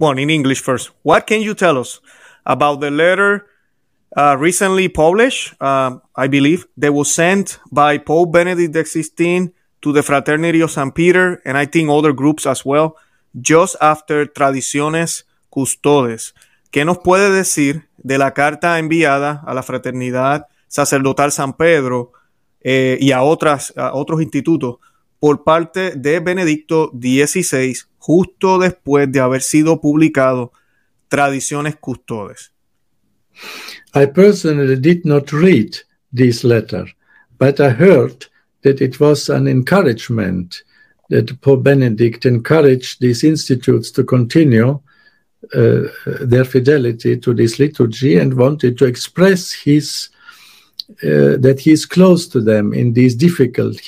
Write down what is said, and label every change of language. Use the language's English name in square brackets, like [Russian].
[English] Well, in English first, what can you tell us about the letter recently published, I believe, that was sent by Pope Benedict XVI to the Fraternity of St. Peter, and I think other groups as well, just after Tradiciones Custodes. [Spanish] ¿Qué nos puede decir de la carta enviada a la Fraternidad Sacerdotal San Pedro y a otras a otros institutos por parte de Benedicto XVI, justo después de haber sido publicado Tradiciones Custodes? [English] I personally did not read this letter, but I heard that it was an encouragement, that Pope Benedict encouraged these institutes to continue their fidelity to this liturgy and wanted to express that he is close to them in this difficult.